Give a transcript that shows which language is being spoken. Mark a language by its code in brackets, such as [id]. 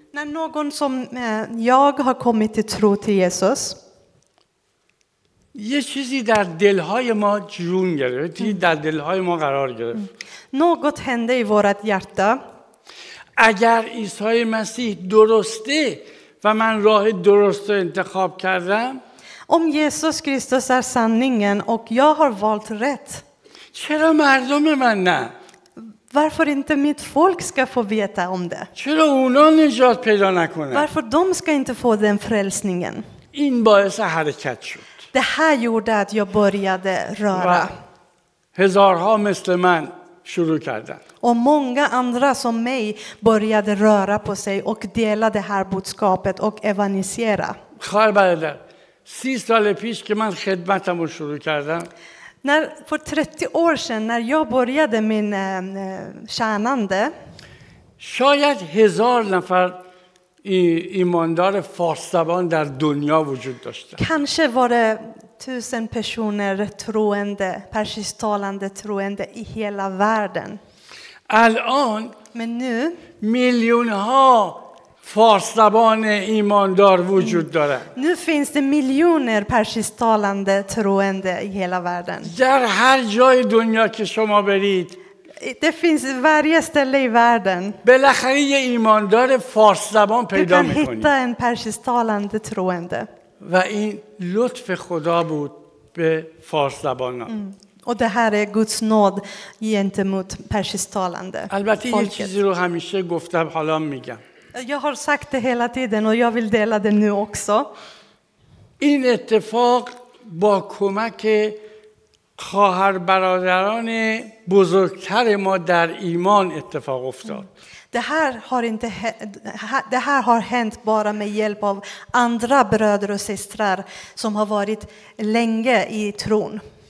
[sv] När någon som jag har kommit till tro till Jesus. [fa] یه چیزی در دل‌های ما جون گرفت. یه در دل‌های ما قرار گرفت. [sv] Något hände i vårat hjärta. [fa] اگر عیسی مسیح درسته و من راه درست رو انتخاب کردم، [sv] om Jesus Kristus är sanningen och jag har valt rätt. [fa] چرا مردم من نه؟ [sv] Varför inte mitt folk ska få veta om det? [fa] چرا اونا نجات پیدا نکنن؟ [sv] Varför de ska inte få den frälsningen? [fa] این باعث حرکت شد. [sv] Det här gjorde att jag började röra. [fa] هزارها مثل من شروع کردن. [sv] Och många andra som mig började röra på sig och dela det här budskapet och evangelisera. [fa] Kharbader, 30 år پیش که من خدمتم رو شروع کردم. [sv] När för 30 år sedan när jag började min tjänande. [fa] شاید هزار نفر ایماندار فارس‌زبان در دنیا وجود داشتن. [sv] Kanske var det 1000 personer troende, persisktalande troende i hela världen. [fa] الان من نو میلیون ها فارس زبان ایماندار وجود داره. [sv] Nu finns det miljoner persisktalande troende i hela världen. [fa] در هر جای دنیا که شما برید. [sv] Det finns varje ställe i världen. [fa] بالاخره یه ایماندار فارس زبان پیدا میکنید. [sv] Du kan hitta en persisktalande troende. [fa] و این لطف خدا بود به فارس زبان ها. [sv] Och det här är Guds nåd gentemot persisktalande. [fa] البته یه چیزی رو همیشه گفتم حالا میگم. [sv] Jag har sagt det hela tiden och jag vill dela det nu också. [fa] این اتفاق با کمک خواهر برادران بزرگتر ما در ایمان اتفاق افتاد. [sv] Det här har hänt bara med hjälp av andra bröder och systrar som har varit länge i tron.